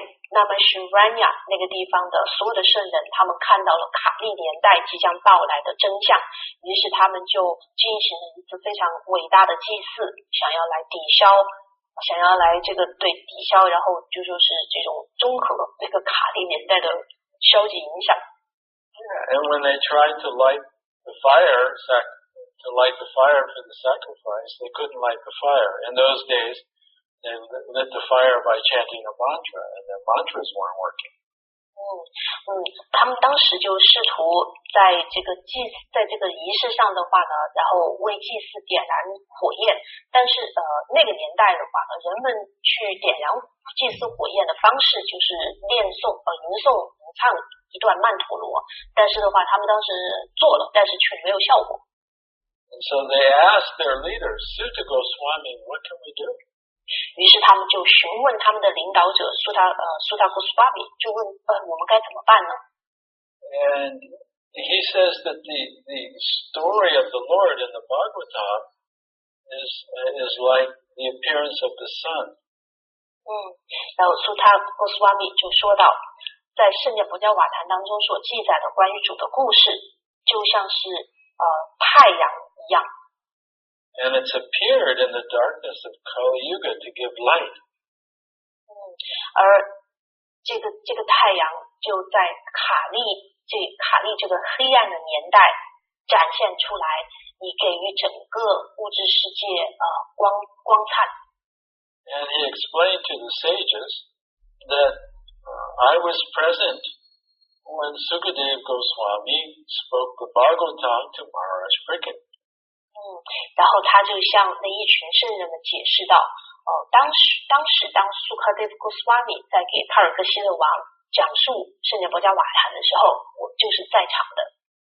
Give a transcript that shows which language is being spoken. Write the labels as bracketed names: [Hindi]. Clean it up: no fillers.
[Chinese] 那么是 Ranya 那个地方的所有的圣人，他们看到了卡利年代即将到来的真相，于是他们就进行了一次非常伟大的祭祀，想要来抵消，想要来这个对抵消，然后就说是这种综合那个卡利年代的消极影响。 [English] Yeah, and when they tried to light the fire, to light the fire for the sacrifice, they couldn't light the fire in those days. They lit the fire by chanting a mantra, and their mantras weren't working. [Chinese] 他们当时就试图在这个祭在这个仪式上的话呢，然后为祭祀点燃火焰。但是那个年代的话呢，人们去点燃祭祀火焰的方式就是念诵吟诵吟唱一段曼陀罗。但是的话，他们当时做了，但是却没有效果。 [English] And so they asked their leader, Suta Goswami, "What can we do?" [Chinese] 于是他们就询问他们的领导者苏塔和苏巴比，就问我们该怎么办呢？ [English] And he says that the story of the Lord in the Bhagavatam is like the appearance of the sun. [Chinese] 然后苏塔和苏巴比就说到，在圣涅佛迦瓦坛当中所记载的关于主的故事，就像是太阳一样。 [English] And it's appeared in the darkness of Kali Yuga to give light. [Chinese] 而这个太阳就在卡利这个黑暗的年代展现出来，以给予整个物质世界光灿。 [English] And he explained to the sages that I was present when Sukadeva Goswami spoke the Bhagavatam to Maharaj Pricket. [Chinese] 然后他就向那一群圣人们解释到，当时Sukadeva Goswami 在给帕尔克希勒王讲述圣涅佛迦瓦坛的时候，我就是在场的。